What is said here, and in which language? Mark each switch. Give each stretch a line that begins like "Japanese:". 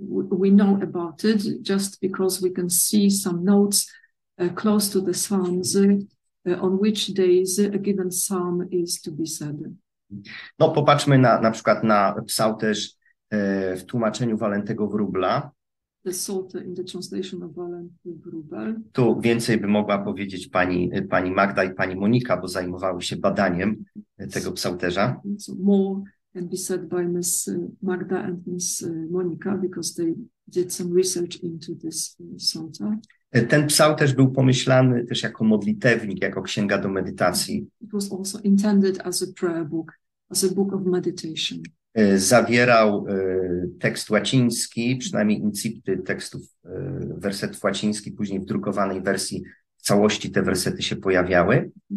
English: We know about it just because we can see some notes close to the psalms, on which days a given psalm is to be said.
Polish: No popatrzmy na przykład na psalterz w tłumaczeniu Walentego Wróbla.
English: The psalter in the translation of Walenty Wróbel.
Polish: Tu więcej by mogła powiedzieć pani Magda i pani Monika, bo zajmowały się badaniem tego psalterza.
English: So more can be said by Miss Magda and Miss Monika, because they did some research into this psalter.
Polish: Ten psał też był pomyślany też jako modlitewnik, jako księga do medytacji.
English: It was also intended as a prayer book, as a book of meditation.
Polish: Zawierał tekst łaciński, przynajmniej incipty tekstów, wersetów łacińskich, później w drukowanej wersji w całości te wersety się pojawiały.